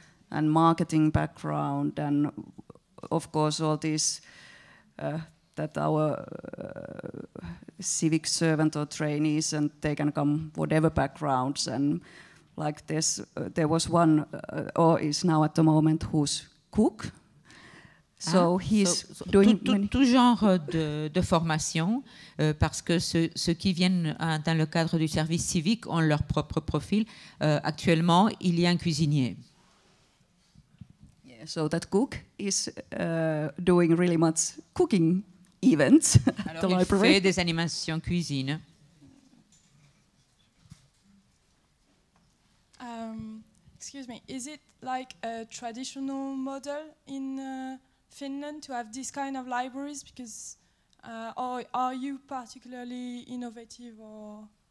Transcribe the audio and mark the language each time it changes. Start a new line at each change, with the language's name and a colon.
English: And marketing background, and of course all this that our civic servant or trainees, and they can come whatever backgrounds. And like this, there was one, or is now at the moment, who's cook. So he's doing
French: tout genre de formation, parce que ceux qui viennent dans le cadre du service civique ont leur propre profil. Actuellement, il y a un cuisinier.
English: Yeah, so that cook is doing really much cooking events.
French: Alors, il fait des animations cuisine.
English: Excuse me, is it like a traditional model in Finland to have this kind of libraries, because or are you particularly innovative, or